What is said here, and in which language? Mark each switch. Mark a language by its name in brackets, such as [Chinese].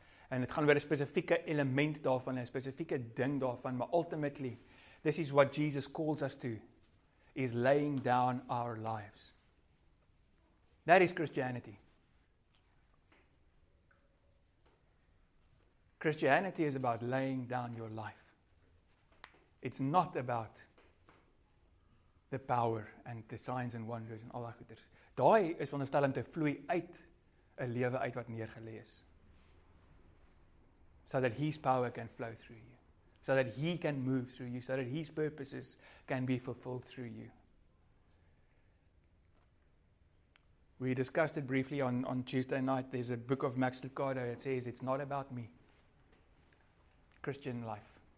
[Afrikaans] En het gaan oor 'n spesifieke element daarvan, 'n spesifieke ding daarvan, maar [English] ultimately, this is what Jesus calls us to, is laying down our lives. That is Christianity. Christianity is about laying down your life. It's not about the power and the signs and wonders and all that good. [Afrikaans] Daai is veronderstel om te vloei uit 'n lewe uit wat neergelê is. [English] So that his power can flow through you. So that he can move through you. So that his purposes can be fulfilled through you. We discussed it briefly on Tuesday night. There's a book of Max Lucado that says, it's not about me. Christian life.